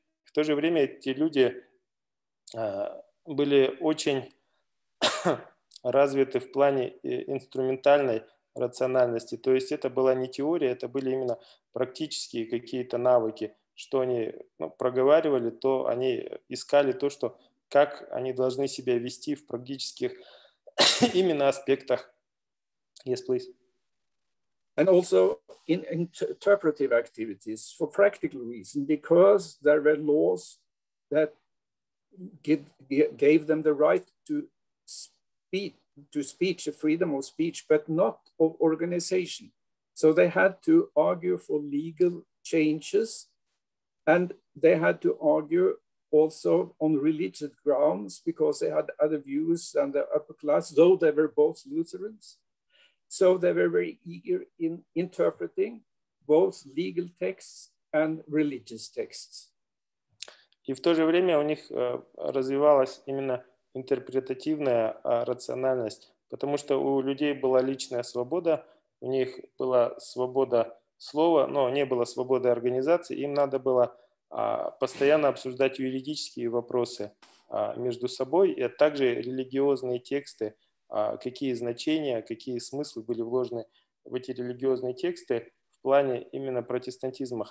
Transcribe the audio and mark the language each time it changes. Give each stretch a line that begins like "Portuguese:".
Russian: В то же время эти люди были очень развиты в плане инструментальной рациональности. То есть это была не теория, это были именно практические какие-то навыки, что они проговаривали, то они искали то, что как они должны себя вести в практических именно аспектах.
English: Yes, please. And also in interpretive activities for practical reason, because there were laws that gave them the right to speech, a freedom of speech, but not of organization. So they had to argue for legal changes, and they had to argue also on religious grounds because they had other views than the upper class, though they were both Lutherans. So they were very eager in interpreting both legal texts and religious texts.
Russian: И в то же время у них развивалась именно интерпретативная рациональность, потому что у людей была личная свобода, у них была свобода слова, но не было свободы организации, им надо было постоянно обсуждать юридические вопросы между собой, и также религиозные тексты, какие значения, какие смыслы были вложены в эти религиозные тексты в плане именно протестантизма.